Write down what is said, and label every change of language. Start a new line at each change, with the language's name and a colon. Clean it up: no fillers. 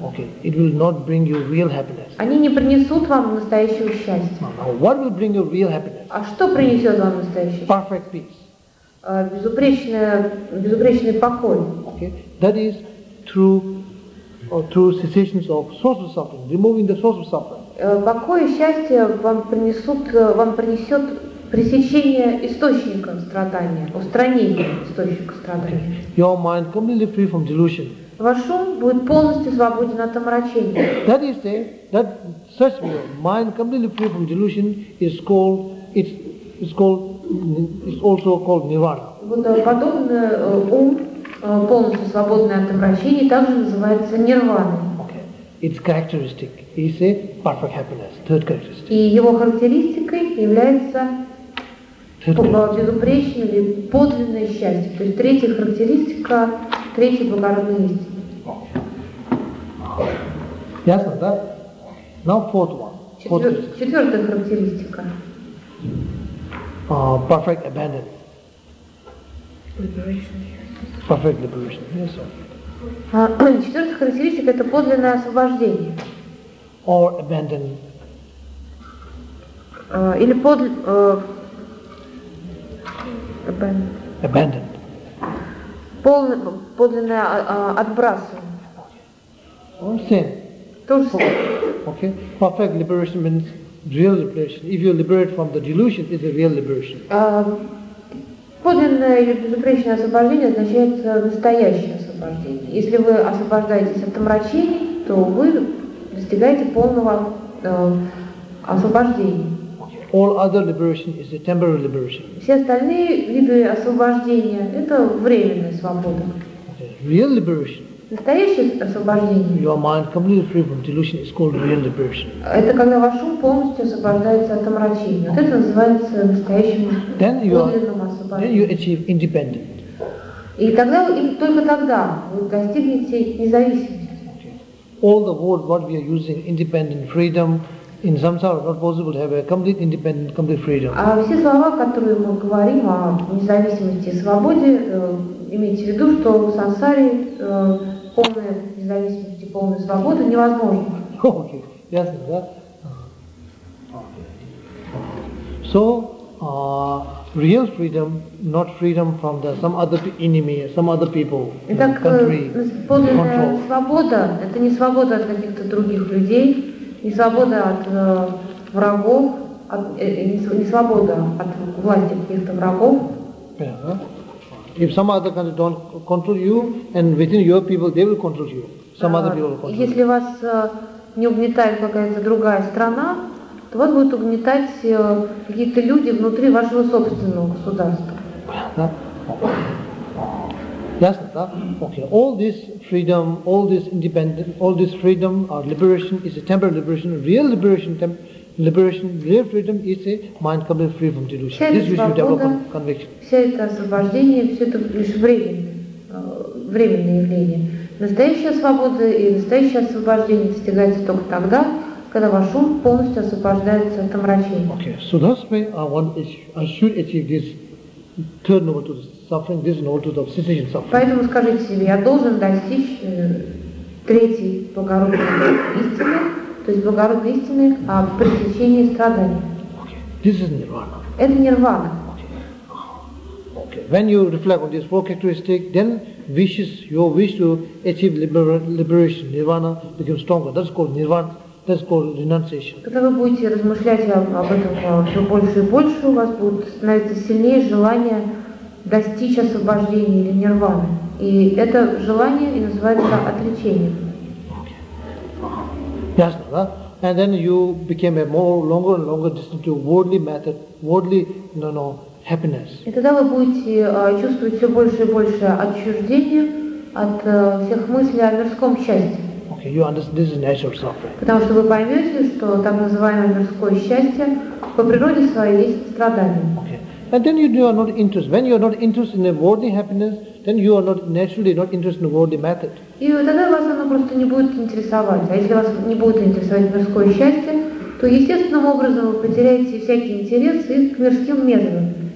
English: Okay, it will not bring you real happiness.
Russian: Они не принесут вам настоящего счастья.
English: What will bring you real happiness?
Russian: А что принесет вам настоящее счастье?
English: Perfect peace.
Russian: Безупречный покой.
English: Okay, that is through cessations of source of suffering, removing the source of suffering.
Russian: Покой и счастье вам принесет пресечение источника страдания, устранение источника страдания.
English: Okay. Your mind completely free from delusion.
Russian: Ваш ум будет полностью свободен от омрачения.
English: That is saying that such a mind completely free from delusion is called it's also called nirvana.
Russian: Вот подобный ум, полностью свободный от омрачений, также называется нирваной.
English: Okay. Its characteristic is a perfect happiness, third characteristic.
Russian: И его характеристикой является безупречное или подлинное счастье. То есть третья характеристика, третья благородная истина.
English: Okay.
Russian: Ясно, да?
English: Now fourth one.
Russian: Четвертая характеристика.
English: Perfect abandon. Liberation. Perfect liberation. Yes, sir.
Russian: Четвертая характеристика – это подлинное освобождение.
English: Or abandon.
Russian: Или подлинное...
English: Abandon.
Russian: Подлинное отбрасывание.
English: Same.
Russian: То же самое.
English: Okay. Perfect liberation means... Real liberation. If you liberate from the delusion, it's a real liberation.
Russian: Подлинное или безупречное освобождение означает настоящее освобождение. Если вы освобождаетесь от омрачений, то вы достигаете полного освобождения.
English: All other liberation is a temporary liberation.
Russian: Все остальные виды освобождения – это временная свобода.
English: Real liberation.
Russian: Настоящее освобождение.
English: Your mind completely free from delusion is called real liberation.
Russian: Это когда ваш ум полностью освобождается от омрачений. Вот это называется настоящим подлинным освобождением.
English: Then you achieve independence.
Russian: И тогда и только тогда вы достигнете независимости.
English: Okay. All the words what we are using, independent freedom, in samsara, not possible to have a complete independent, complete freedom.
Russian: А все слова, которые мы говорим о независимости и свободе, имейте в виду, что в сансаре полная независимость и полная свобода невозможна. Окей, ясно, да?
English: So, real freedom, not freedom from the some other enemy, some other people,
Russian: Итак,
English: country.
Russian: Итак, полная свобода – это не свобода от каких-то других людей, не свобода от врагов, не свобода от власти каких-то врагов.
English: Yeah. If some other country don't control you, and within your people they will control you. Some other people will control you.
Russian: Если вас не угнетает какая-то другая страна, то вас будут угнетать какие-то люди внутри вашего собственного государства. Ясно, да?
English: Okay. All this freedom, all this independence, all this freedom or liberation is a temporary liberation, real liberation. Liberation, real freedom is a mind completely free from delusion.
Russian: Вся
English: this
Russian: свобода,
English: we should develop conviction.
Russian: Вся это освобождение, все это лишь временное явление. Настоящая свобода и настоящее освобождение достигается только тогда, когда ваш ум полностью освобождается от омрачения.
English: Okay, so that's why I should achieve this third note of suffering, this note of cessation suffering.
Russian: Поэтому скажите себе, я должен достичь третьей благородной истины, то есть благородной истины о пресечении страданий.
English: Okay. This is nirvana.
Russian: Это нирвана.
English: Okay. When you reflect on this four characteristics, then your wish to achieve liberation, nirvana, becomes stronger. That's called nirvana. That's called renunciation.
Russian: Когда вы будете размышлять об этом все больше и больше, у вас будет становиться сильнее желание достичь освобождения или нирваны. И это желание и называется отречением. Ясно, да?
English: And then you became a more longer and longer distant to worldly method, worldly, no, happiness.
Russian: И тогда вы будете чувствовать все больше и больше отчуждения от всех мыслей о мирском счастье.
English: Okay, you understand this is natural suffering.
Russian: Потому что вы поймете, что так называемое мирское счастье по природе своей есть страдание.
English: Okay. And then you are not interested. When you are not interested in a worldly happiness, then you are not naturally not interested in the worldly method.
Russian: И тогда вас оно просто не будет интересовать. А если вас не будет интересовать мирское счастье, то естественным образом вы потеряете всякий интерес и к мирским методам.